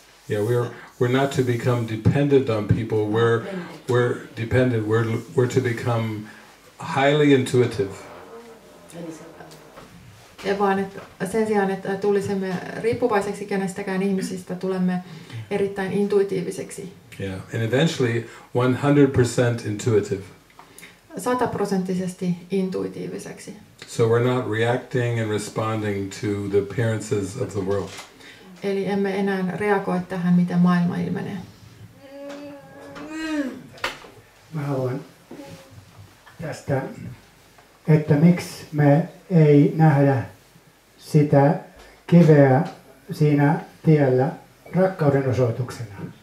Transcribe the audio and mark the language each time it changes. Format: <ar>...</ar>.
<en>Yeah, we're not to become dependent on people. We're dependent. We're to become highly intuitive.</en> <fi>Ja vaan sen sijaan, että tulisimme riippuvaiseksi kenestäkään ihmisistä, tulemme erittäin intuitiiviseksi.</fi> <en>Yeah, and eventually 100% intuitive.</en> <fi>100% intuitiiviseksi.</fi> <en>So we're not reacting and responding to the appearances of the world.</en> <fi>Eli emme enää reagoi tähän, mitä maailma ilmenee. Mä haluan tästä, että miksi me ei nähdä sitä kiveä siinä tiellä rakkauden osoituksena.</fi>